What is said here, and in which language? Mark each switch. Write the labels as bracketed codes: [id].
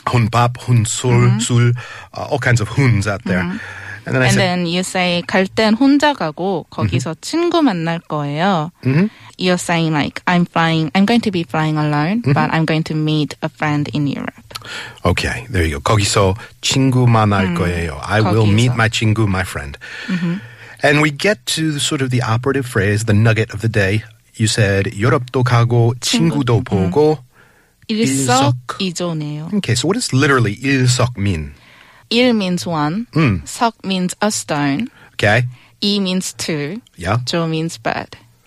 [ko] 혼밥, 혼술, 술, [en] all kinds of 혼s out there. Mm-hmm. And then you say, [ko] 갈 땐 혼자 가고 거기서 mm-hmm. 친구 만날 거예요. Mm-hmm. [en] You're saying like, I'm going to be flying alone, mm-hmm. but I'm going to meet a friend in Europe. Okay, there you go. [ko] 거기서 친구 만날 거예요. [en] I will meet my 친구, my friend. Mm-hmm. And we get to sort of the operative phrase, the nugget of the day. You said, [ko] 유럽도 가고 친구도 보고 일석이조네요. [en] Okay, so what does literally 일석 mean? 일 means one, 석 means a stone, 이 means two, 조 means bird.